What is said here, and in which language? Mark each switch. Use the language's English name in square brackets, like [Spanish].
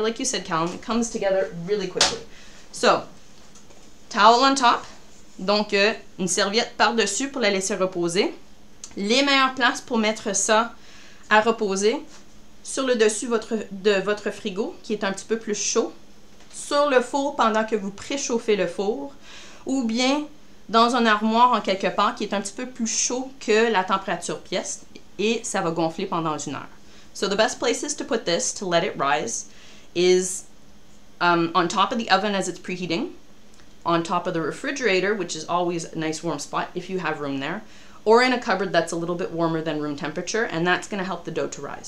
[English] Like you said, Callum, it comes together really quickly. So, towel on top. [French] Donc, une serviette par-dessus pour la laisser reposer. Les meilleures places pour mettre ça à reposer. Sur le dessus de votre frigo, qui est un petit peu plus chaud. Sur le four pendant que vous préchauffez le four. Ou bien dans un armoire en quelque part qui est un petit peu plus chaud que la température pièce. Et ça va gonfler pendant une heure. [English] So the best places to put this, to let it rise, is on top of the oven as it's preheating. On top of the refrigerator, which is always a nice warm spot if you have room there. Or in a cupboard that's a little bit warmer than room temperature. And that's going to help the dough to rise.